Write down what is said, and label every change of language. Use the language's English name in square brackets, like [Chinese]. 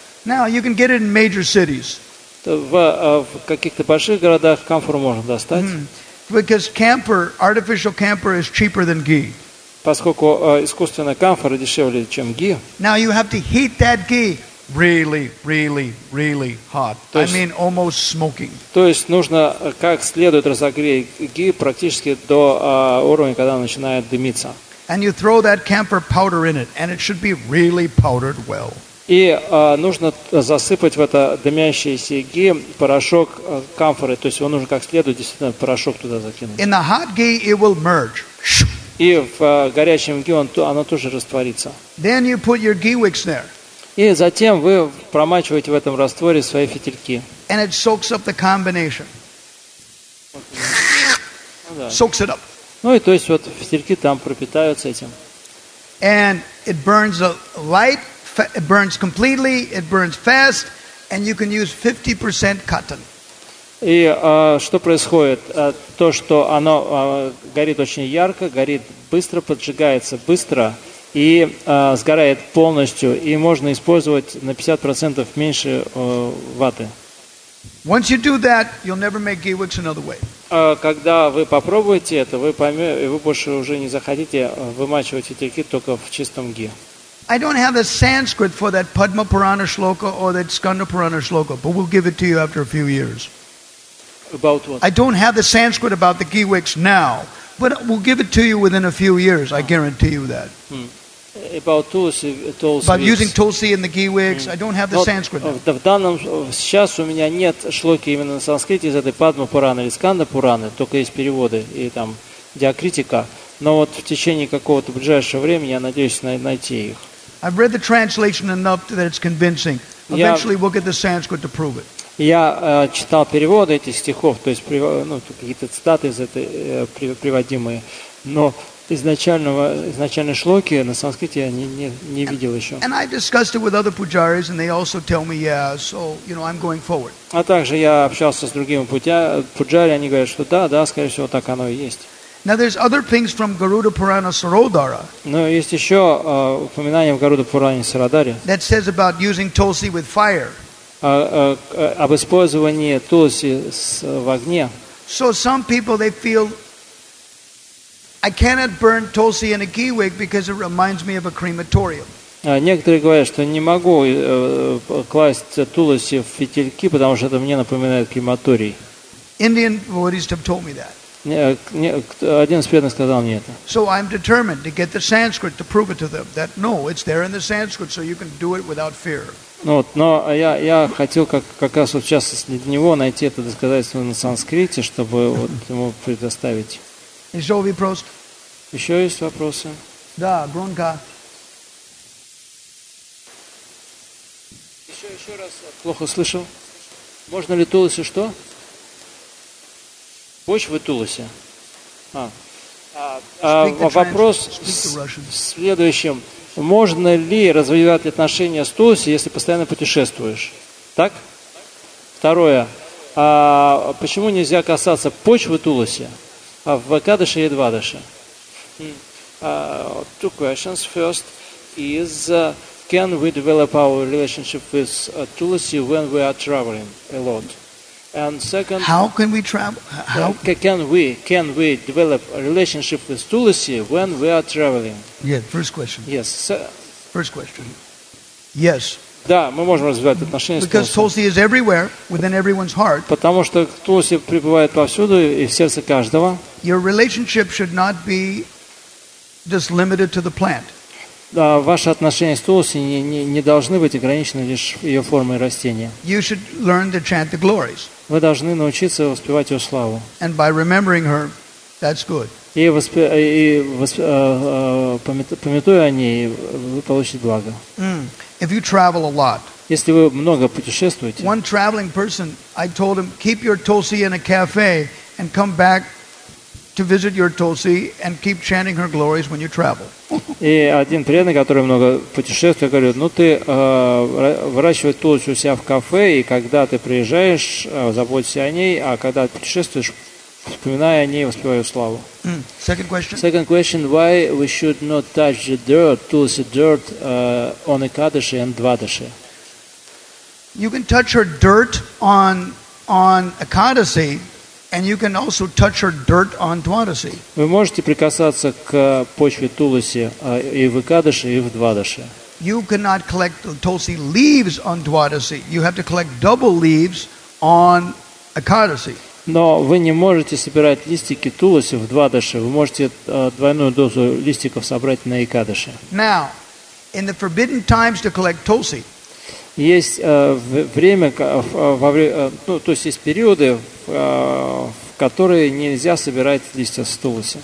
[English] Now you can get it in major cities. [Russian] В каких-то больших городах камфору можно достать. [English] Because camphor, artificial camphor is cheaper than ghee. [Russian] Поскольку искусственная камфора дешевле, чем ги. [English] Now you have to heat that ghee. Really, really, really hot. I mean, almost smoking. [Russian] То есть нужно как следует разогреть ги практически до уровня, когда начинает дымиться. [English] And you throw that camphor powder in it, and it should be really powdered well. [Russian] И нужно засыпать в это дымящееся ги порошок камфоры. То есть его нужно как следует действительно порошок туда закинуть. [English] In the hot ghee, it will merge. [Russian] И в горячем ги оно тоже растворится. [English] Then you put your ghee wicks there. [Russian] И затем вы промачиваете в этом растворе свои фитильки. [English] And it soaks up the combination. Soaks it up. [Russian] Ну и то есть вот фитильки там пропитаются этим. [English] And it burns a light, it burns completely, it burns fast, and you can use 50% cotton. [Russian] И что происходит? То, что оно горит очень ярко, горит быстро, поджигается быстро. И сгорает полностью, и можно использовать на 50% меньше ваты. [English] Once you do that, you'll never make ghee wicks another way. [Russian] Когда вы попробуете это, вы поймете, и вы больше уже не захотите вымачивать фитильки только в чистом ги. [English] I don't have the Sanskrit for that Padma Purana shloka or that Skanda Purana shloka, but we'll give it to you after a few years. About what? I don't have the Sanskrit about the ghee wicks now. But we'll give it to you within a few years. I guarantee you that. About tulsi, tulsi. About using tulsi in the ghee wicks. I don't have the Sanskrit. [Russian] В данном сейчас у меня нет шлоки именно на санскрите из этой Падма Пураны или Сканда Пураны. Только есть переводы и там диакритика. Но вот в течение какого-то ближайшего времени я надеюсь найти их. [English] I've read the translation enough that it's convincing. Eventually, we'll get the Sanskrit to prove it. [Russian] Я читал переводы этих стихов, то есть ну, какие-то цитаты из этой приводимые. Но изначальной шлоки на санскрите я не видел еще. [English] And I discussed it with other pujaris, and they also tell me, yeah, so, you know, I'm going forward. [Russian] А также я общался с другими пуджари, они говорят, что да, скорее всего, так оно и есть. [English] Now there's other things from Garuda Purana Sarodhara. [Russian] Но есть еще упоминание в Garuda Purana Sarodhara. [English] That says about using tulsi with fire. [Russian] Об использовании тулуси в огне. [English] So some people they feel I cannot burn Tulsi in a ghee wig because it reminds me of a crematorium. [Russian] Некоторые говорят, что не могу класть Тулоси в фитильки, потому что это мне напоминает крематорий. [English] Indian Buddhist have told me that. [Russian] Один из преданных сказал мне это. [English] So I'm determined to get the Sanskrit to prove it to them that no, it's there in the Sanskrit, so you can do it without fear. [Russian] Ну вот, но я хотел как раз вот сейчас для него найти это доказательство на санскрите, чтобы вот ему предоставить. Еще вопрос? Еще есть вопросы? Да, громко. Еще раз плохо слышал. Можно ли Тулоси что? Почвы Тулоси. Вопрос в следующем. Можно ли развивать отношения с Тулоси, если постоянно путешествуешь? Так? Второе. Почему нельзя касаться почвы Тулоси в Экадаше и Двадаше? [English] Two questions. First is, can we develop our relationship with Tulsi when we are traveling a lot? And second, how can we travel? How can we develop a relationship with Tulsi when we are traveling? Yeah, first question. Yes, sir. First question. Yes. [Russian] Да, мы можем развивать отношения с [English] Tulsi. Because Tulsi is everywhere within everyone's heart. [Russian] Потому что Тулси пребывает повсюду и в сердце каждого. [English] Your relationship should not be just limited to the plant. [Russian] Ваши отношения с Тулоси не должны быть ограничены лишь ее формой растения. [English] You should learn to chant the glories. [Russian] Вы должны научиться воспевать ее славу. [English] And by remembering her, that's good. [Russian] Памятуя о ней, вы получите благо. [English] If you travel a lot, [Russian] если вы много путешествуете, [English] one traveling person, I told him, keep your Tulsi in a cafe and come back to visit your Tulsi and keep chanting her glories when you travel. [Russian] И один преданный, который много путешествует, говорит: ну ты выращивай Тулоси у себя в кафе, и когда ты приезжаешь, заботься о ней, а когда путешествуешь, вспоминай о ней, воспевай ее славу. [English] Second question. Second question: why we should not touch the dirt, Tulsi dirt, on Ekadashi and Dvadashi? You can touch her dirt on Ekadashi. And you can also touch her dirt on Dvadasi. [Russian] Вы можете прикасаться к почве Тулоси и в Экадаше, и в Двадаше. [English] You cannot collect the Tulsi leaves on Dvadasi. You have to collect double leaves on Ekadasi. [Russian] Но вы не можете собирать листики Тулоси в Двадаше. Вы можете двойную дозу листиков собрать на Экадаше. Now, in the forbidden times to collect Tulsi. Есть время, то есть есть периоды, в которые нельзя собирать листья с Тулоси.